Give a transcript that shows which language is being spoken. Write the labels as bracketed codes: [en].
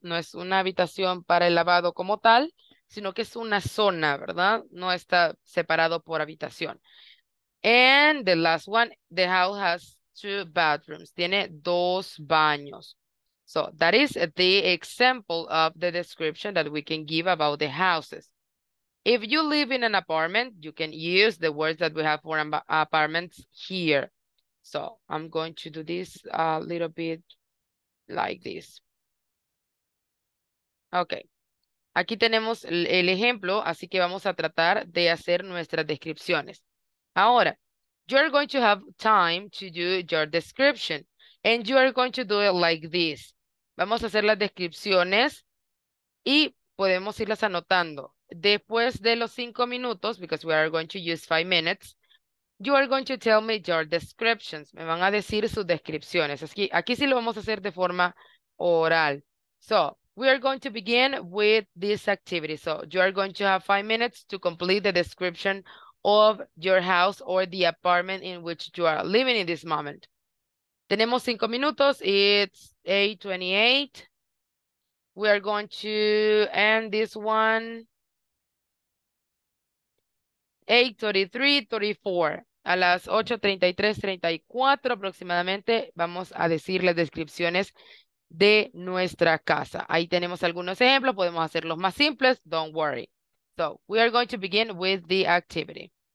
[es] No es una habitación para el lavado como tal, sino que es una zona, ¿verdad? No está separado por habitación. [en] And the last one, the house has two bedrooms. [es] Tiene dos baños. [en] So that is the example of the description that we can give about the houses. If you live in an apartment, you can use the words that we have for apartments here. So I'm going to do this a little bit like this. Okay. [es] Aquí tenemos el ejemplo, así que vamos a tratar de hacer nuestras descripciones. [en] Ahora, you're going to have time to do your description, and you are going to do it like this. [es] Vamos a hacer las descripciones y podemos irlas anotando. Después de los 5 minutos, [en] because we are going to use 5 minutes, you are going to tell me your descriptions. [es] Me van a decir sus descripciones. Aquí sí lo vamos a hacer de forma oral. [en] So, we are going to begin with this activity. So, you are going to have 5 minutes to complete the description of your house or the apartment in which you are living in this moment. [es] Tenemos 5 minutos, [en] it's 8:28. We are going to end this one 8:33, 34. [es] A las 8:33, 34 aproximadamente, vamos a decir las descripciones de nuestra casa. Ahí tenemos algunos ejemplos, podemos hacerlos más simples, [en] don't worry. So, we are going to begin with the activity.